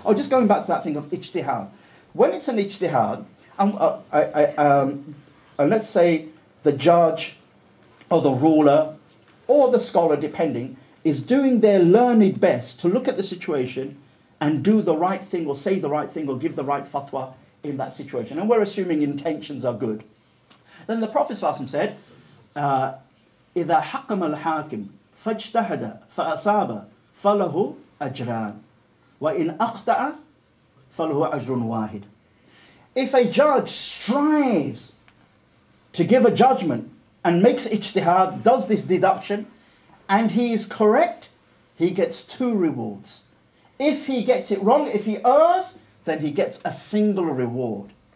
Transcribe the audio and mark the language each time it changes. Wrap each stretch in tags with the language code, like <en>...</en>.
<en>Oh, just going back to that thing of ijtihad. When it's an ijtihad, and let's say the judge or the ruler, or the scholar, depending, is doing their learned best to look at the situation and do the right thing or say the right thing or give the right fatwa in that situation. And we're assuming intentions are good. Then the Prophet ﷺ said,</en> <ar>إِذَا حَقَّمَ الْحَاكِمُ فَاجْتَهَدَ فَأَصَابَ فَلَهُ أَجْرًا وَإِنْ أَخْطَأَ فَلَهُ أَجْرٌ وَاحِدٌ.</ar> <en>If a judge strives to give a judgment and makes ijtihad, does this deduction, and he is correct, he gets two rewards. If he gets it wrong, if he errs, then he gets a single reward.</en>